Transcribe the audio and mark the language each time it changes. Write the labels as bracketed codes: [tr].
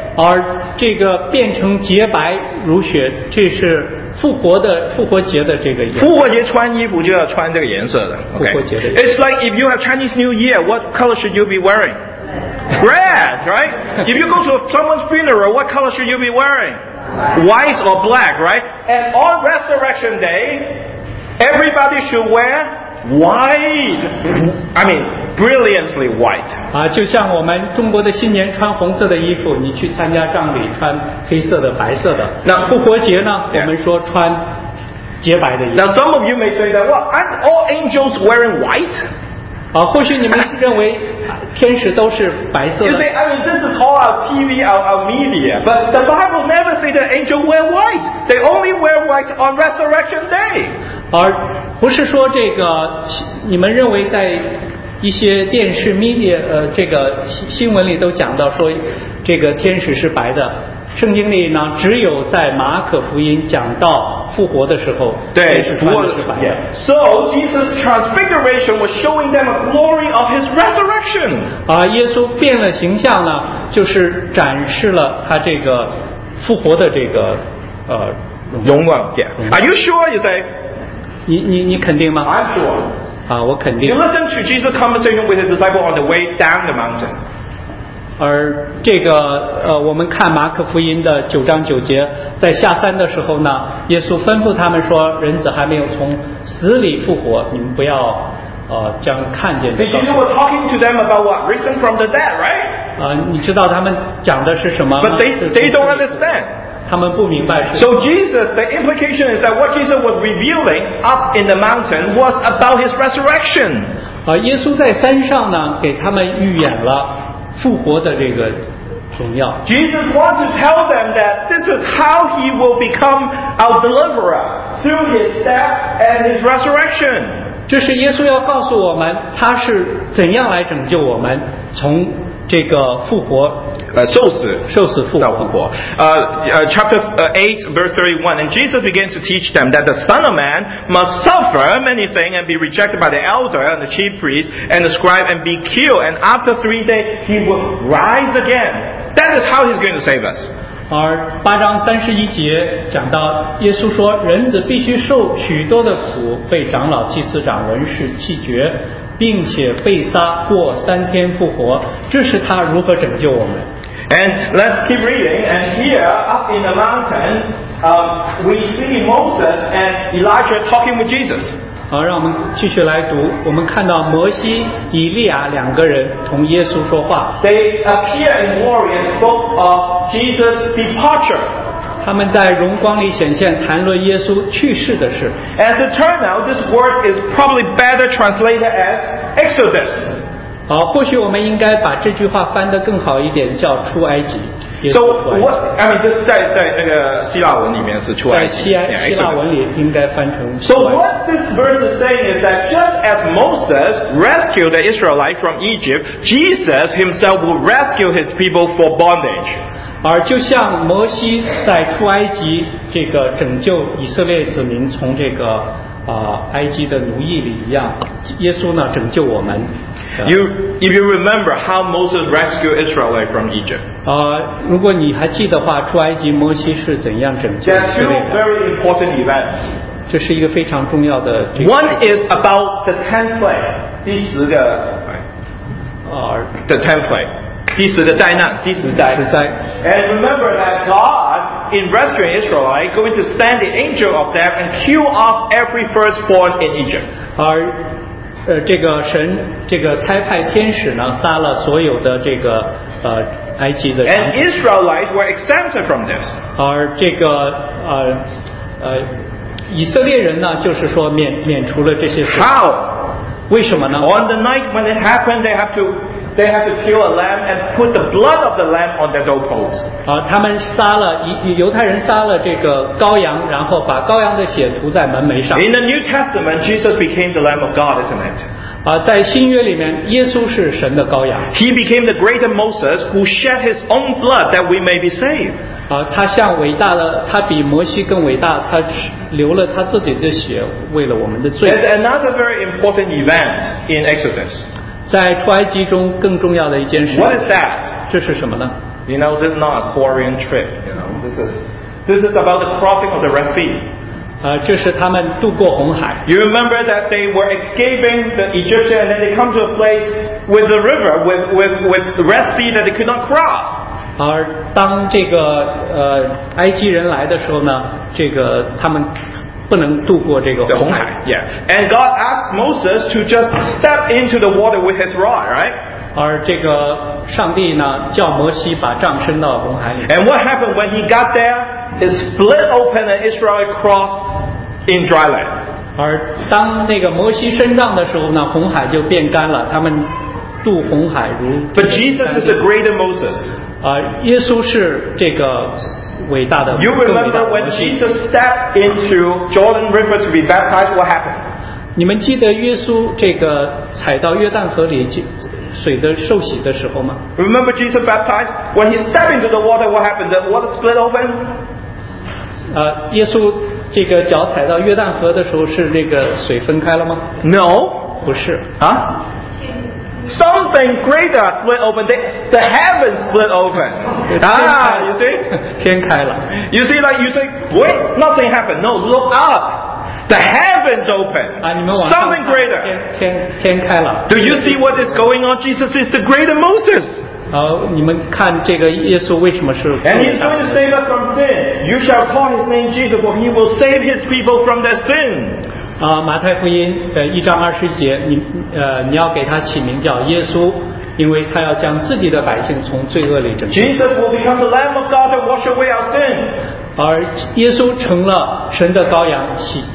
[zh] 而这个变成洁白如雪，这是复活的复活节的这个颜色。复活节穿衣服就要穿这个颜色的。复活节的颜色。 [en] It's like if you have Chinese New Year, what color should you be wearing? Red, right? If you go to someone's funeral, what color should you be wearing? White or black, right? And on Resurrection Day, everybody should wear white. I mean. Brilliantly white. [zh] 就像我们中国的新年穿红色的衣服，你去参加葬礼穿黑色的、白色的。那复活节呢？Yeah. 我们说穿洁白的衣服。 [en] Now some of you may say that, well, aren't all angels wearing white? [zh] 或许你们是认为天使都是白色的。 [en] You say, I mean, this is all our TV, our media. But the Bible never say that angels wear white. They only wear white on Resurrection Day. [zh] 而不是说这个，你们认为在一些电视 media 这个新闻里都讲到说这个天使是白的，圣经里呢只有在马可福音讲到复活的时候，对，天使穿的是白的。 [en] Yeah. So Jesus' transfiguration was showing them a glory of his resurrection. [zh] 耶稣变了形象呢，就是展示了他这个复活的这个勇往点。 [en] Are you sure? You say? [zh] 你肯定吗？ [en] I'm sure. [zh] 我肯定。 [en] You listen to Jesus' conversation with his disciples on the way down the mountain. [zh] 而这个我们看马可福音的九章九节，在下山的时候呢，耶稣吩咐他们说：“人子还没有从死里复活，你们不要将看见。” [en] So Jesus was talking to them about what risen from the dead, right? [zh] 你知道他们讲的是什么吗 [en] ？But they don't understand. [zh] 他们不明白。 [en] So Jesus, the implication is that what Jesus was revealing up in the mountain was about his resurrection. [zh] 耶稣在山上呢，给他们预言了复活的这个荣耀。 [en] Jesus wants to tell them that this is how he will become our deliverer through his death and his resurrection. [zh] 这是耶稣要告诉我们，他是怎样来拯救我们从。这个复活，受死复活，到复活。 [en] Chapter 8, verse 31, and Jesus began to teach them that the Son of Man must suffer many things and be rejected by the elder and the chief priest and the scribe and be killed, and after 3 days he will rise again. That is how he's going to save us. [zh] 而八章三十一节讲到，耶稣说，人子必须受许多的苦，被长老、祭司长、文士弃绝。并且被杀，过三天复活，这是他如何拯救我们。 [en] And let's keep reading. And here, up in the mountain, we see Moses and Elijah talking with Jesus. [zh] 好，让我们继续来读。我们看到摩西、以利亚两个人同耶稣说话。 [en] They appear in glory and spoke of Jesus' departure. [zh] 他们在荣光里显现，谈论耶稣去世的事。 [en] As it turns out, this word is probably better translated as Exodus. [zh] 好，或许我们应该把这句话翻得更好一点，叫出埃及。 [en] So what? I mean, [zh] 在那个希腊文里面是出埃及。在希腊文里应该翻成。 [en] So what this verse is saying is that just as Moses rescued the Israelites from Egypt, Jesus himself will rescue his people for bondage. [zh] 而就像摩西在出埃及这个拯救以色列子民从这个埃及的奴役里一样，耶稣呢拯救我们。 [en] If you remember how Moses rescued Israelites from Egypt. [zh] 如果你还记得话，出埃及摩西是怎样拯救以色列的？ [en] There are two very important events. [zh] 这是一个非常重要的。 [en] One is about the tenth plague. [zh] 第十个。 [en] The tenth plague. [zh] 第十的灾难。第十灾。十灾。 [en] And remember that God, in rescuing Israelites, going to send the angel of death and kill off every firstborn in Egypt. [zh] 这个神这个差派天使呢杀了所有的这个埃及的人。 [en] And Israelites were exempted from this. [zh] 而这个以色列人呢就是说免除了这些事。 [en] How? [zh] 为什么呢 [en] ?On the night when it happened, they have to kill a lamb and put the blood of the lamb on their doorposts. [zh] 他们杀了犹太人杀了这个羔羊，然后把羔羊的血涂在门楣上。 [en] In the New Testament, Jesus became the Lamb of God, isn't it? [zh] 在新约里面，耶稣是神的羔羊。 [en] He became the greater Moses who shed his own blood that we may be saved. [zh] 他像伟大的，他比摩西更伟大，他流了他自己的血为了我们的罪。 [en] There's another very important event in Exodus. [zh] 在出埃及中更重要的一件事。 [en] What is that? [zh] 这是什么呢 [en] ？You know, this is not a Korean trip. You know, this is about the crossing of the Red Sea. [zh] 这是他们渡过红海。 [en] You remember that they were escaping the Egyptian, and then they come to a place with the river, with the Red Sea that they could not cross. [zh] 而当这个埃及人来的时候呢，这个他们。不能渡过这个红海 yeah. [en] And God asked Moses to just step into the water with his rod, right? [zh] 而这个上帝呢，叫摩西把杖伸到红海里。 [en] And what happened when he got there? It split open and Israel crossed in dry land. [zh] 而当那个摩西伸杖的时候呢，红海就变干了，他们渡红海如。 [en] But Jesus is the greater Moses. [zh] 耶稣是这个。伟大的 [en] you remember when Jesus stepped into Jordan River to be baptized, what happened? [zh] 你们记得耶稣这个踩到约旦河里水的受洗的时候吗？ [en] Remember Jesus baptized? When he stepped into the water, what happened? The water split open? [zh] 耶稣这个脚踩到约旦河的时候是那个水分开了吗？ [en] No. [zh] 不是。 [en] 啊？Something greater split open. The heavens split open. You see? [zh] 天开了。 [en] You see, like you say, wait, nothing happened. No, look up. The heavens open. [zh] 你们往上看。 [en] Something greater. [zh] 天开了。 [en] Do you see what is going on? Jesus is the greater Moses. [zh] 你们看这个耶稣为什么是。 [en] And he's going to save us from sin. You shall call his name Jesus, for he will save his people from their sin. [zh] 马太福音一章二十节你要给他起名叫耶稣因为他要将自己的百姓从罪恶里拯救 [en] Jesus will become the Lamb of God to wash away our sin [zh] 而耶稣成了神的羔羊洗